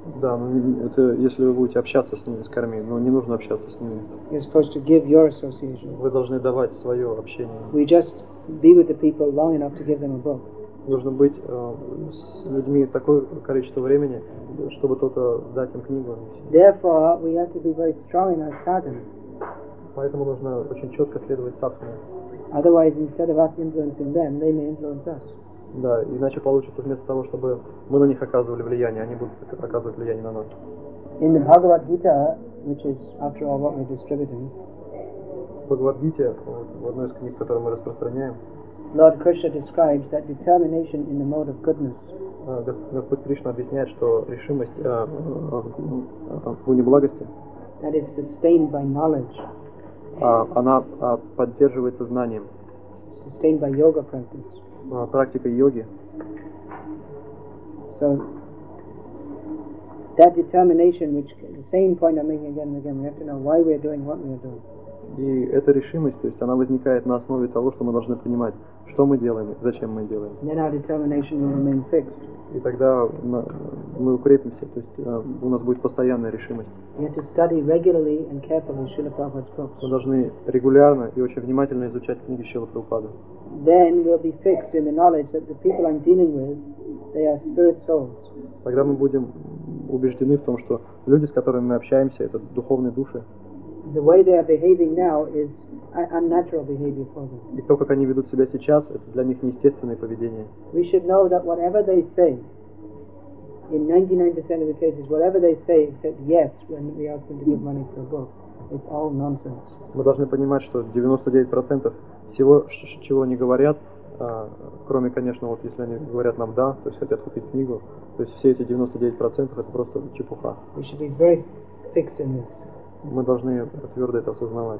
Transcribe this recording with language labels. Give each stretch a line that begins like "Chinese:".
Russian: Да, но это если вы будете общаться с ними, с карми, но не нужно общаться с ними.
English: You're supposed to give your association.
Russian: Вы должны давать свое общение.
English: We just be with the people long enough to give them a book.
Russian: Нужно быть с людьми такое количество времени, чтобы только дать им книгу.
English: Therefore, we have to be very strong in our sadhana.
Russian: Поэтому нужно очень четко следовать садхане.
English: Otherwise, instead of us influencing them, they may influence us.
Russian: Да, иначе получится вместо того, чтобы мы на них оказывали влияние, они будут оказывать влияние на нас.
English: In the Bhagavad Gita, which is after all what we're distributing.
Russian: Bhagavad Gita, в одной из книг, которую мы распространяем.
English: Lord Krishna describes that determination in the mode of goodness.
Russian: Господь Кришна объясняет, что решимость в уни благости.
English: That is sustained by knowledge.
Russian: Она поддерживается знанием.
English: Sustained by yoga practice.
Russian: Практика йоги.
English: So that determination, which the same point I'm making again and again, we have to know why we are doing what we are doing.
Russian: И эта решимость, то есть она возникает на основе того, что мы должны понимать, что мы делаем, зачем мы делаем.
English: Then our determination will remain fixed.
Russian: И тогда мы укрепимся, то есть у нас будет постоянная решимость.
English: We have to study regularly and carefully Srila Prabhupada's books.
Russian: Мы должны регулярно и очень внимательно изучать книги Шрилы Прабхупады.
English: Then we'll be fixed in the knowledge that the people I'm dealing with, they are spirit souls.
Russian: Тогда мы будем убеждены в том, что люди, с которыми мы общаемся, это духовные души.
English: The way they are behaving now is unnatural behavior for them.
Russian: И то, как они ведут себя сейчас, это для них неестественное поведение.
English: We should know that whatever they say, in 99% of the cases, whatever they say, except yes, when we ask them to give money for a book, it's all nonsense.
Russian: Мы должны понимать, что 99% всего, чего они говорят, кроме, конечно, вот если они говорят нам да, то есть хотят купить книгу, то есть все эти 99% это просто чепуха.
English: We should be very fixed in this.
Russian: Мы должны твердо это осознавать.